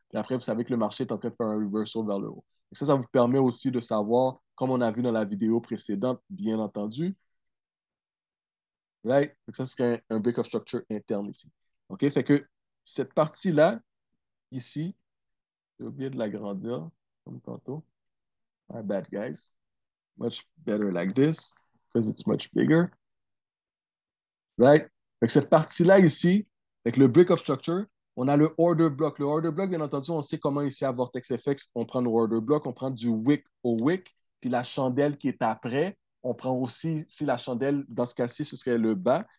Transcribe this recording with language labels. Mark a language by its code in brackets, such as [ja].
[fr] Et après, vous savez que le marché est en train de faire un reversal vers le haut. Et ça vous permet aussi de savoir, comme on a vu dans la vidéo précédente, bien entendu. Right? Donc ça, c'est un break of structure interne ici. OK? Fait que cette partie-là, ici, j'ai oublié de l'agrandir, comme tantôt. [en] My bad, guys. Much better like this, because it's much bigger. Right? [fr] Donc cette partie-là, ici, avec le break of structure, on a le order block. Le order block, bien entendu, on sait comment ici à Vortex FX, on prend le order block, on prend du wick au wick, puis la chandelle qui est après, on prend aussi, si la chandelle, dans ce cas-ci, ce serait le bas.